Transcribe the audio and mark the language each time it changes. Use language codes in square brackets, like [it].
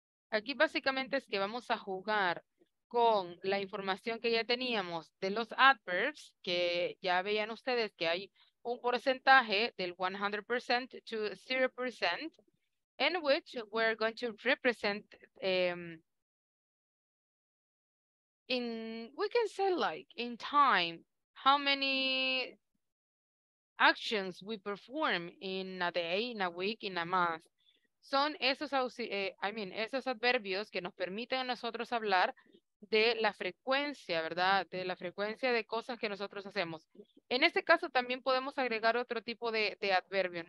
[es] Aquí básicamente es que vamos a jugar con la información que ya teníamos de los adverbs, que ya veían ustedes que hay un porcentaje del 100% to 0%. [en] In which we're going to represent, in we can say like in time, how many actions we perform in a day, in a week, in a month. [es] Son esos, esos adverbios que nos permiten a nosotros hablar de la frecuencia, ¿verdad? De la frecuencia de cosas que nosotros hacemos. En este caso también podemos agregar otro tipo de adverbios.